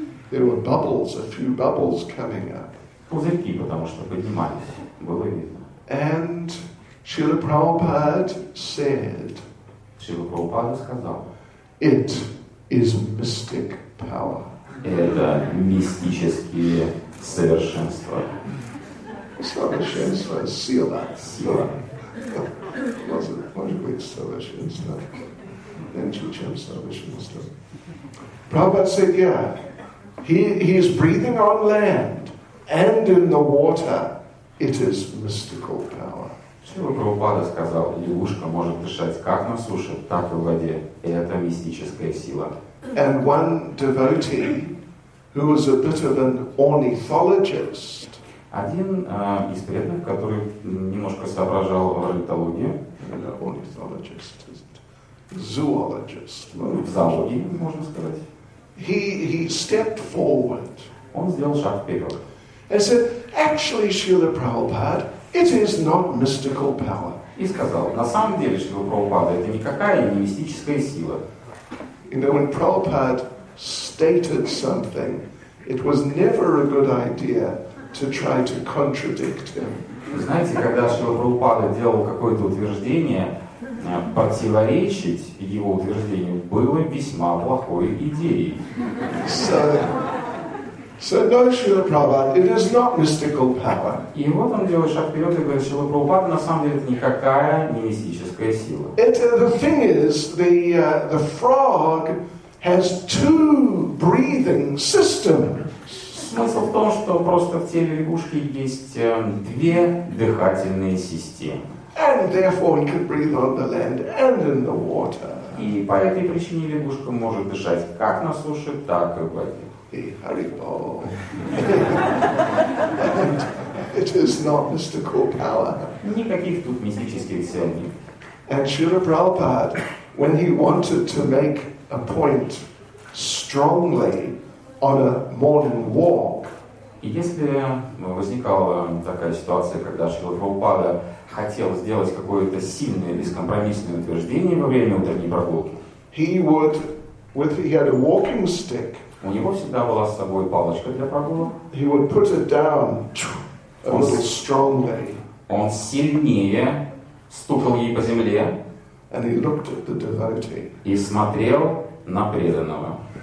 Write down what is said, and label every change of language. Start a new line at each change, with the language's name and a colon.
English: There were bubbles, a few bubbles coming up.
Russian: Пузырьки, потому что поднимались, было видно.
English: And Srila Prabhupada said.
Russian: Srila Prabhupada сказал.
English: It is mystic power.
Russian: Это мистические совершенства. Совершенство, сила. Сила. Может быть, совершенство. Меньше, чем совершенство.
English: Prabhupada said, yeah. He is breathing on land and in the water. It is mystical power.
Russian: Шрила Прабхупада сказал, лягушка может дышать как на суше, так и в воде. Это мистическая сила.
English: And one devotee, who was a bit of an ornithologist.
Russian: Один из преданных, который немножко соображал в орнитологии.
English: Ornithologist, isn't it? Zoologist.
Russian: В зоологии, можно сказать.
English: He stepped forward.
Russian: Он сделал шаг вперед.
English: And said, actually, Srila Prabhupada, it is not mystical power.
Russian: И сказал, на самом деле, Шрила Прабхупада, это никакая не мистическая сила.
English: You know, when Prabhupada stated something, it was never a good idea to try to contradict him.
Russian: Знаете, когда Шрила Прабхупада делал какое-то утверждение, противоречить его утверждению было весьма плохой идеей.
English: So no, Srila Prabhupada, it is not mystical power.
Russian: И вот он делает шаг вперед и говорит, Шрила Прабхупада, на самом деле, это никакая не мистическая сила.
English: The thing is, the frog has two breathing systems.
Russian: Смысл в том, что просто в теле лягушки есть две дыхательные системы.
English: And therefore it can breathe on the land and in the water.
Russian: И по этой причине лягушка может дышать как на суше, так и в воде.
English: Hey, Harry Potter. And it is not mystical power.
Russian: Никаких тут мистических сил нет.
English: And Srila Prabhupada, when he wanted to make a point strongly on a morning walk.
Russian: И если возникала такая ситуация, когда Шрила Прабхупада хотел сделать какое-то сильное бескомпромиссное утверждение во время утренней прогулки,
English: he would, with, he had a walking stick,
Russian: у него всегда была с собой палочка для прогулок,
English: he would put it down a little strongly,
Russian: он сильнее стукал ей по земле
English: and he looked at the devotee.
Russian: И смотрел на преданного.